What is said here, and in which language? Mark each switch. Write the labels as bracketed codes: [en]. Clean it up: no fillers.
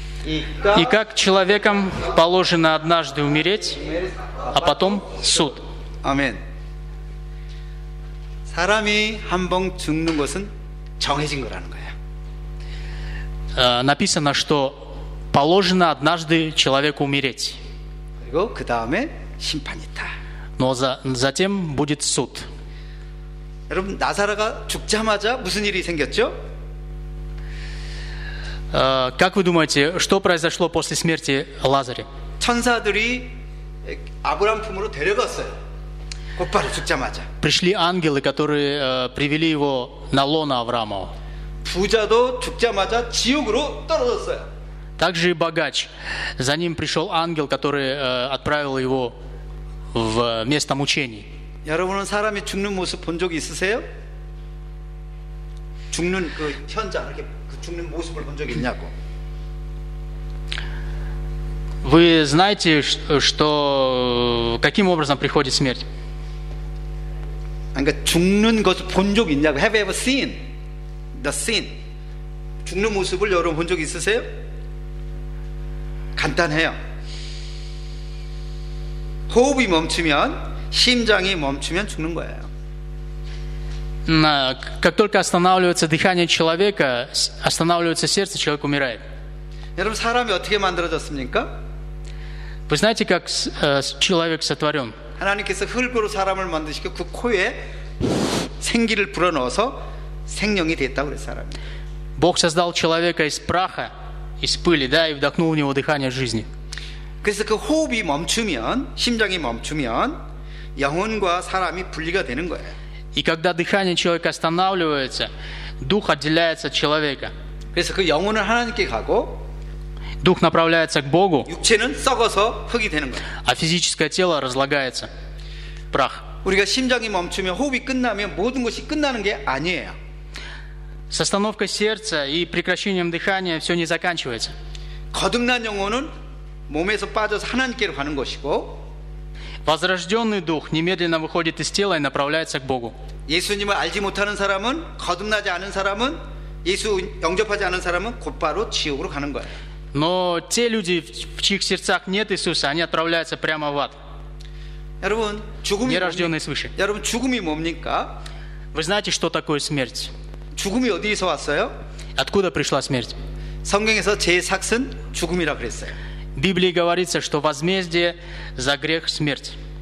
[ru] И как человеком положено однажды умереть, а потом суд. Амин. [ko] 사람이 한번 죽는 것은 정해진 거라는 거야. [ru] Написано, что положено однажды человеку умереть. [ko] 그리고 그 다음에 심판이 있다. [ru] Но затем будет суд. [ko] 여러분, 나사로가 죽자마자 무슨 일이 생겼죠? [ru] Как вы думаете, что произошло после смерти Лазаря? [ko] 천사들이 아브라함 품으로 데려갔어요. 곧바로 죽자마자. [ru] Пришли ангелы, которые привели его на лоно Авраамова. [ko] 부자도 죽자마자 지옥으로 떨어졌어요. [ru] Также и богач. За ним пришел ангел, который отправил его в место мучений. [ko] 여러분은 사람이 죽는 모습 본 적 있으세요? 죽는 그 현장 이렇게 그 죽는 모습을 본 적 있냐고? [ru] Вы знаете, что каким образом приходит смерть? [ko] 그러니까 죽는 것을 본 적 있냐고? [en] Have you ever seen the scene? [ko] 죽는 모습을 여러분 본 적 있으세요? 간단해요. 호흡이 멈추면 심장이 멈추면 죽는 거예요. [ru] Как только останавливается дыхание человека, останавливается сердце, человек умирает. [ko] 여러분, 사람이 어떻게 만들어졌습니까? [ru] Вы знаете, как человек сотворен? [ko] 하나님께서 흙으로 사람을 만드시고 그 코에 생기를 불어넣어서 생명이 됐다고 그랬어요, 사람이. [ru] Бог создал человека из праха, из пыли, да, и вдохнул в него дыхание жизни. [ko] 그래서 그 호흡이 멈추면, 심장이 멈추면 영혼과 사람이 분리가 되는 거예요. [ru] И когда дыхание человека останавливается, дух отделяется от человека. [ko] 그래서 그 영혼은 하나님께 가고, [ru] дух направляется к Богу. [ko] 육체는 썩어서 흙이 되는 거예요. [ru] А физическое тело разлагается. Прах. [ko] 우리가 심장이 멈추면 호흡이 끝나면 모든 것이 끝나는 게 아니에요. [ru] С остановкой сердца и прекращением дыхания все не заканчивается. [ko] 거듭난 영혼은 몸에서 빠져서 하나님께로 가는 것이고. [ru] Возрожденный дух немедленно выходит из тела и направляется к Богу. [ko] 예수님을 알지 못하는 사람은, 거듭나지 않은 사람은, 예수 영접하지 않은 사람은 곧바로 지옥으로 가는 거예요. [ru] Но те люди, в чьих сердцах нет Иисуса, они отправляются прямо в ад. [ko] 여러분, 죽음이 [ru] нерожденные свыше. [ko] 여러분, 죽음이 뭡니까? [ru] Вы знаете, что такое смерть? [ko] 죽음이 어디에서 왔어요? [ru] Откуда пришла смерть? [ko] 성경에서 제삭은 죽음이라 그랬어요. [ru] В Библии говорится, что возмездие за грех – смерть.